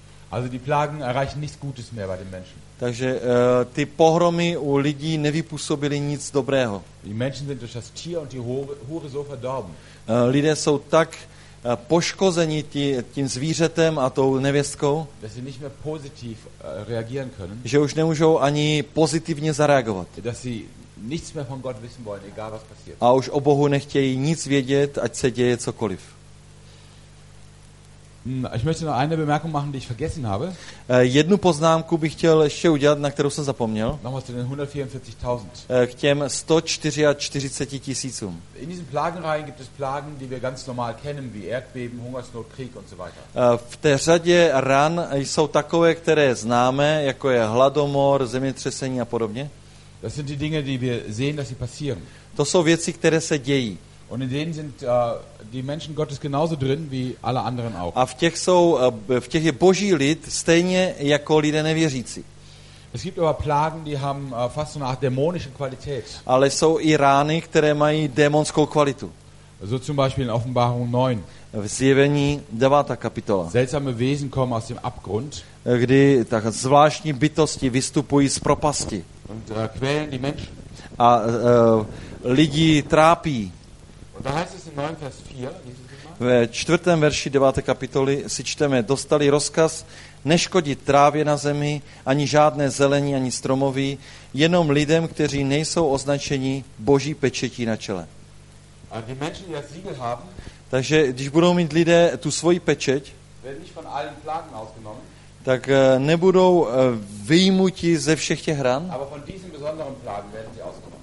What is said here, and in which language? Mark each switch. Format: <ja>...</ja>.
<de>Also die Plagen erreichen nichts Gutes mehr bei den Menschen.</de> <cs>Takže ty pohromy u lidí nevypůsobily nic dobrého.</cs> <de>Die Menschen sind durch das Tier und die Hure so verdorben.</de> <cs>Lidé jsou tak poškozeni tím zvířetem a tou nevěstkou,</cs> <de>dass sie nicht mehr positiv reagieren können.</de> <cs>Že už nemůžou ani pozitivně zareagovat.</cs> <de>Dass sie nichts mehr von Gott wissen wollen, egal was passiert.</de> <cs>A už o Bohu nechtějí nic vědět, ať se děje cokoliv.</cs> <de>Ich möchte noch eine Bemerkung machen, die ich vergessen habe.</de> <cs>Jednu poznámku bych chtěl ještě udělat, na kterou jsem zapomněl.</cs> <de>Nochmals zu den 144.000.</de> <cs>K těm 144 tisícům.</cs> <de>In diesen Plagenreihen gibt es Plagen, die wir ganz normal kennen, wie Erdbeben, Hungersnot, Krieg und so weiter.</de> <cs>V té řadě ran jsou takové, které známe, jako je hladomor, zemětřesení a podobně.</cs> <de>Das sind die Dinge, die wir sehen, dass sie passieren.</de> <cs>To jsou věci, které se dějí.</cs> <de>Und in denen sind die Menschen Gottes genauso drin wie alle anderen auch.</de> <cs>A v těch je Boží lid stejně jako lidé nevěřící.</cs> <de>Es gibt aber Plagen, die haben fast so eine Art dämonische Qualität.</de> <cs>Ale jsou i rány, které mají démonskou kvalitu.</cs> <de>So zum Beispiel in Offenbarung 9.</de> <cs>V Zjevení 9. kapitola.</cs> <de>Seltsame Wesen kommen aus dem Abgrund.</de> <cs>Kdy tak zvláštní bytosti vystupují z propasti.</cs> <de>Und quälen die Menschen.</de> <cs>A lidi trápí.</cs> <de>Da heißt es in 9, Vers 4,</de> <cs>ve 4. verši 9. kapitoly si čteme, dostali rozkaz neškodit trávě na zemi, ani žádné zelení, ani stromoví, jenom lidem, kteří nejsou označeni Boží pečetí na čele.</cs> <de>A die Menschen, die das Siegel haben,</de> <cs>takže když budou mít lidé tu svoji pečeť,</cs> <de>werden nicht von allen Plagen ausgenommen,</de> <cs>tak nebudou vyjmuti ze všech těch ran,</cs> <de>aber von diesen besonderen Plagen werden sie ausgenommen.</de>